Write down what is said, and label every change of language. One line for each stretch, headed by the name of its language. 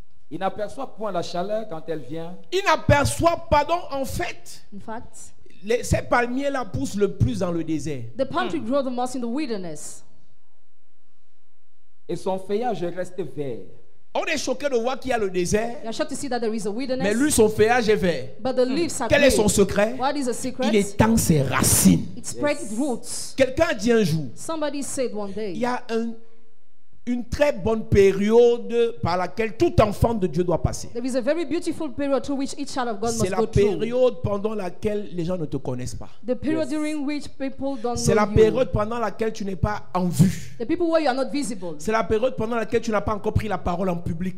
French: Il n'aperçoit point la chaleur quand elle vient. Il n'aperçoit pas donc en fait.
English: In fact,
French: ces palmiers là poussent le plus dans le désert.
English: The palm tree grows the most in the wilderness.
French: Et son feuillage reste vert. On est choqué de voir qu'il y a le désert.
English: You're shocked to see that there is a wilderness.
French: Mais lui, son feuillage est vert.
English: But the leaves are
French: quel est son secret?
English: What is the secret?
French: Il étend ses racines.
English: It spreads yes. roots.
French: Quelqu'un a dit un jour,
English: somebody said one day,
French: il y a une très bonne période par laquelle tout enfant de Dieu doit passer.
English: There is a very beautiful period through which each child of God
French: c'est
English: must go through.
French: C'est la période pendant laquelle les gens ne te connaissent pas.
English: The period yes. during which people don't
French: c'est
English: know
French: la période
English: you.
French: Pendant laquelle tu n'es pas en vue.
English: The people where you are not visible.
French: C'est la période pendant laquelle tu n'as pas encore pris la parole en public.